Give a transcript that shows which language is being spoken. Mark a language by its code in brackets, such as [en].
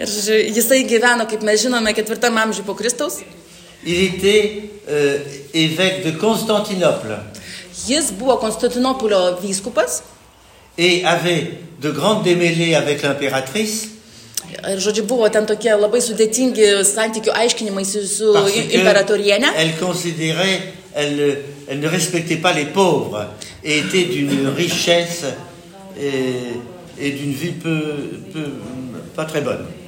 [lt] Ir jisai gyveno, kaip mes žinome, 4 amžiui po Kristaus. [fr] Il était évêque de Constantinople. [lt] Jis buvo Konstantinopolio vyskupas. [fr] Et avait de grandes démêlées avec l'impératrice. [lt] Ir žodžiu, buvo ten tokie labai sudėtingi santykių aiškinimai su imperatoriene. [fr] Elle considérait, elle ne respectait pas les pauvres et était d'une richesse et d'une vie peu pas très bonne.